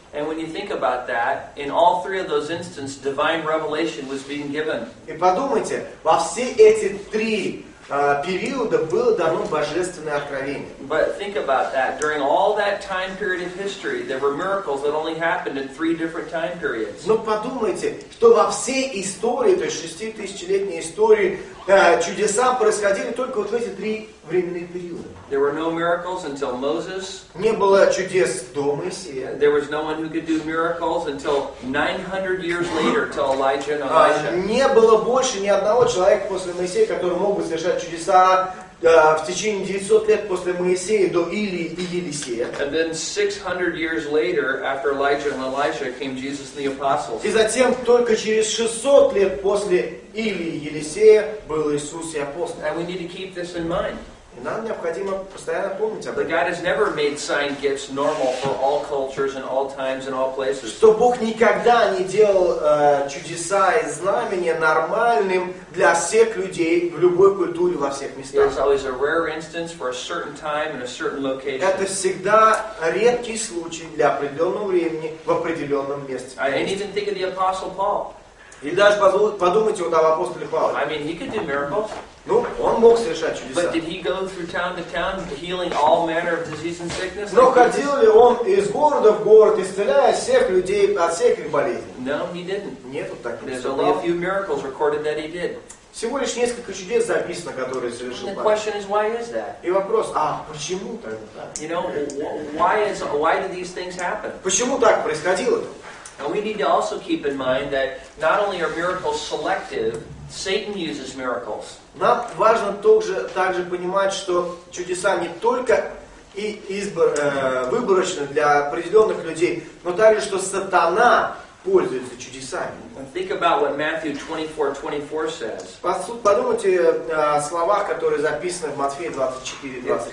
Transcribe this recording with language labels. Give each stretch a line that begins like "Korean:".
English: And when you think about that, in all three of those instances, divine revelation was being given.
Russian: И подумайте, во все эти три периода было дано божественное откровение.
English: But think about that. During all that time period of history, there were miracles that only happened in three different time periods.
Russian: Но подумайте, что во всей истории, то есть 6000-летней истории, чудеса происходили только вот в эти три временных периода.
English: There were no miracles until Moses.
Russian: Не было чудес до Моисея.
English: There was no one who could do miracles until 900 years later, till Elijah and Elisha.
Russian: Не было больше ни одного человека после Моисея, который мог бы совершать чудеса в течение 900 лет после Моисея до Илии и Елисея.
English: And then 600 years later, after Elijah and Elisha, came Jesus and the apostles.
Russian: И затем только через 600 лет после Илии и Елисея был Иисус и апостол.
English: And we need to keep this in mind.
Russian: Нам необходимо постоянно помнить об этом.
English: God has never made sign gifts normal for all cultures and all times and all places.
Russian: Что Бог никогда не делал чудеса и знамения нормальным для всех людей в любой культуре во всех местах.
English: It's always a rare instance for a certain time and a certain location.
Russian: Это всегда редкий случай для определенного времени в определенном месте.
English: I didn't even think of the Apostle Paul.
Russian: Или даже подумайте вот об апостоле Павле.
English: I mean, he could do miracles.
Russian: Ну, он мог совершать чудеса.
English: But did he go through town to town healing all manner of disease and sickness?
Russian: Но ходил ли он из города в город, исцеляя всех людей от всех их болезней?
English: No, he didn't.
Russian: Нет, вот так не сказал.
English: There's only a few miracles recorded that he did.
Russian: Всего лишь несколько чудес записано, которые совершил Павел.
English: The question is, why is that?
Russian: И вопрос, а почему тогда так?
English: You know, why do these things happen?
Russian: Почему так происходило?
English: And we need to also keep in mind that not only are miracles selective, Satan uses miracles.
Russian: Нам важно также понимать, что чудеса не только и выборочны для определенных людей, но также, что сатана пользуется чудесами.
English: And think about what Matthew 24:24 says.
Russian: Подумайте о словах, которые записаны в Матфея 24:24.